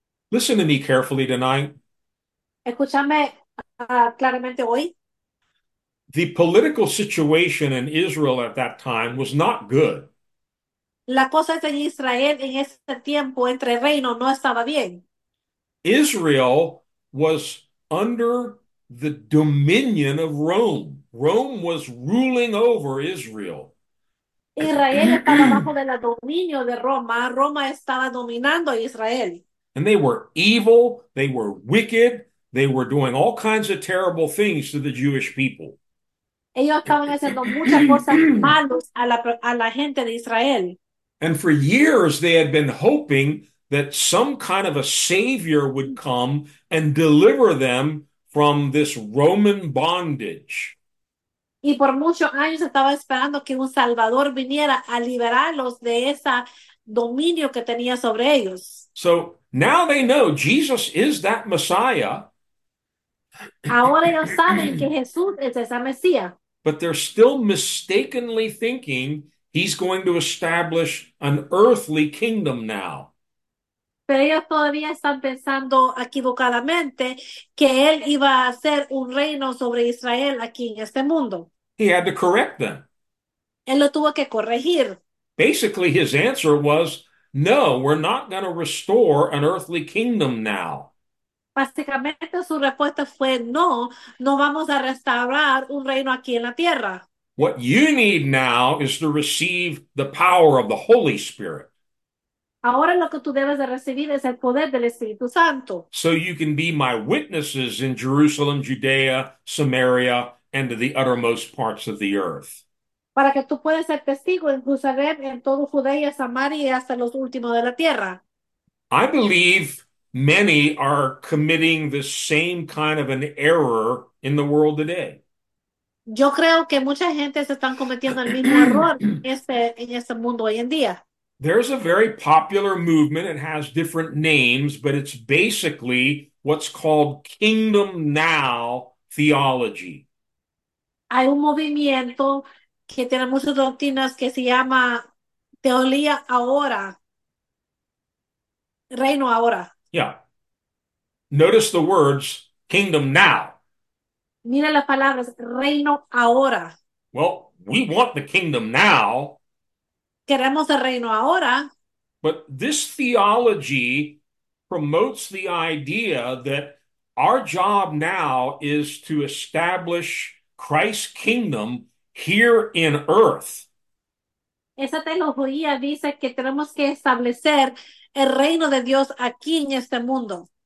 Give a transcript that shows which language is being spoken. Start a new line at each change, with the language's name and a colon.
English: Listen to me carefully tonight.
Spanish: Escúchame, claramente hoy.
English: The political situation in Israel at that time was not good.
Spanish: La cosa de Israel en ese tiempo entre reino no estaba bien.
English: Israel was under the dominion of Rome. Rome was ruling over Israel.
Spanish: Israel estaba bajo del dominio de Roma. Roma estaba dominando a Israel.
English: And they were evil, they were wicked, they were doing all kinds of terrible things to the Jewish people.
Spanish: Ellos estaban haciendo muchas cosas malas a la gente de Israel.
English: And for years they had been hoping that some kind of a savior would come and deliver them from this Roman bondage.
Spanish: Y por muchos años estaba esperando que un Salvador viniera a liberarlos de ese dominio que tenía sobre ellos.
English: So now they know Jesus is that Messiah.
Spanish: Ahora ellos saben que Jesús es esa Mesía.
English: But they're still mistakenly thinking he's going to establish an earthly kingdom now.
Spanish: Pero ellos todavía están pensando equivocadamente que él iba a hacer un reino sobre Israel aquí en este mundo.
English: He had to correct them.
Spanish: Él lo tuvo que corregir.
English: Basically, his answer was, no, we're not going to restore an earthly kingdom now.
Spanish: Básicamente su respuesta fue no, no vamos a restaurar un reino aquí en la tierra.
English: What you need now is to receive the power of the Holy Spirit.
Spanish: Ahora lo que tú debes de recibir es el poder del Espíritu Santo.
English: So you can be my witnesses in Jerusalem, Judea, Samaria, and to the uttermost parts of the earth.
Spanish: Para que tú puedas ser testigo en Jerusalén, en todo Judea, Samaria y hasta los últimos de la tierra.
English: I believe many are committing the same kind of an error in the world today.
Spanish: Yo creo que mucha gente se están cometiendo el mismo error en este mundo hoy en día.
English: There's a very popular movement. It has different names, but it's basically what's called Kingdom Now theology.
Spanish: Hay un movimiento que tiene muchas doctrinas que se llama Teología Ahora, Reino Ahora.
English: Yeah. Notice the words Kingdom Now.
Spanish: Mira las palabras, Reino Ahora.
English: Well, we want the kingdom now.
Spanish: Queremos el Reino Ahora.
English: But this theology promotes the idea that our job now is to establish Christ's kingdom here in earth.
Spanish: Esa teología dice que tenemos que establecer el reino de Dios aquí en este mundo.